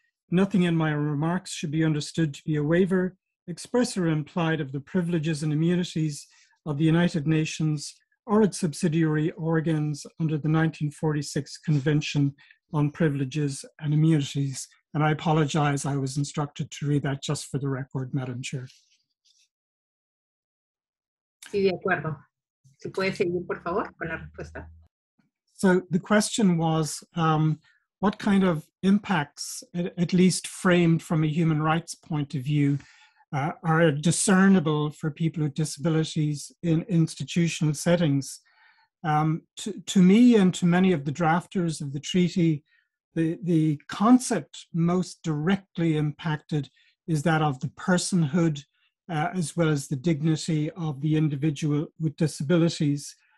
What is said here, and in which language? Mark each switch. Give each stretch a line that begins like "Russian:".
English: Nothing in my remarks should be understood to be a waiver, express or implied of the privileges and immunities of the United Nations or its subsidiary organs under the 1946 Convention on Privileges and Immunities. And I apologize, I was instructed to read that just for the record, Madam Chair.
Spanish: Sí, de acuerdo. ¿Se puede seguir, por favor, con la respuesta?
English: So the question was, what kind of impacts, at least framed from a human rights point of view, are discernible for people with disabilities in institutional settings? To me and to many of the drafters of the treaty, the concept most directly impacted is that of the personhood, as well as the dignity of the individual with disabilities.